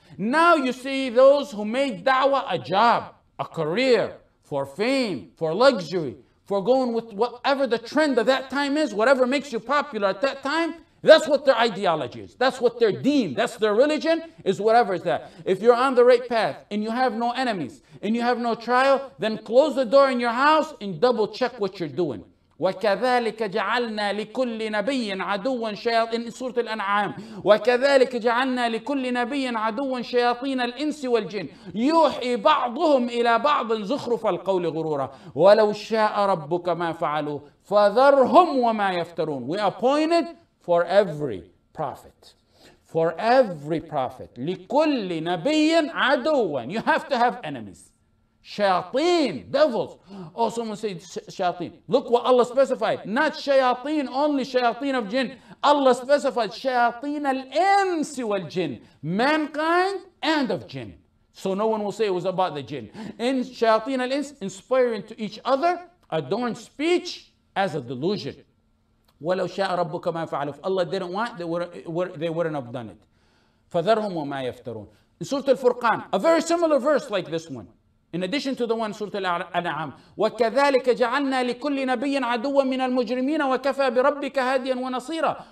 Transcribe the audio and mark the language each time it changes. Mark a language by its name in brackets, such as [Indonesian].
[English] Now you see those who made da'wah a job, a career, for fame, for luxury, for going with whatever the trend of that time is, whatever makes you popular at that time, that's what their ideology is. That's what their deen, that's their religion, is whatever is that. If you're on the right path and you have no enemies and you have no trial, then close the door in your house and double check what you're doing. [Arabic] وَكَذَلِكَ جَعَلْنَا لِكُلِّ نَبِيٍّ عَدُوًّا شَيَاطِينَ [English] in Surah Al-An'am. [Arabic] وَكَذَلِكَ جَعَلْنَا لِكُلِّ نَبِيٍّ عَدُوًّا شَيَاطِينَ الْإِنسِ وَالْجِنِّ يُوحِي بَعْضُهُمْ إِلَى بَعْضٍ زُخْرُفَ الْقَوْلِ غُرُورًا وَلَوْ شَاءَ رَبُّكَ مَا فَعَلُوهُ فَذَرْهُمْ وَمَا يَفْتَرُونَ. [English] We appointed for every prophet. For every prophet. [Arabic] لِكُلِّ نَبِيٍّ عَدُوًّا. [English] You have to have enemies. Shayateen, devils. Oh, someone said shayateen. Look what Allah specified. Not shayateen, only shayateen of jinn. Allah specified shayateen al-insi wal-jinn. Mankind and of jinn. So no one will say it was about the jinn. In shayateen al-ins, inspiring to each other, adorned speech as a delusion. [Arabic] وَلَوْ شَاءَ رَبُّكَ مَا فَعَلُوا. [English] If Allah didn't want, they wouldn't have done it. [Arabic] فَذَرْهُمْ وَمَا يَفْتَرُونَ. [English] In Surah Al-Furqan, a very similar verse like this one. In addition to the one Surah Al-An'am, [Arabic] وَكَذَلِكَ جَعَلْنَا لِكُلِّ نَبِيٍّ عَدُوًّا مِنَ الْمُجْرِمِينَ وَكَفَى بِرَبِّكَ هَادِيًا وَنَصِيرًا.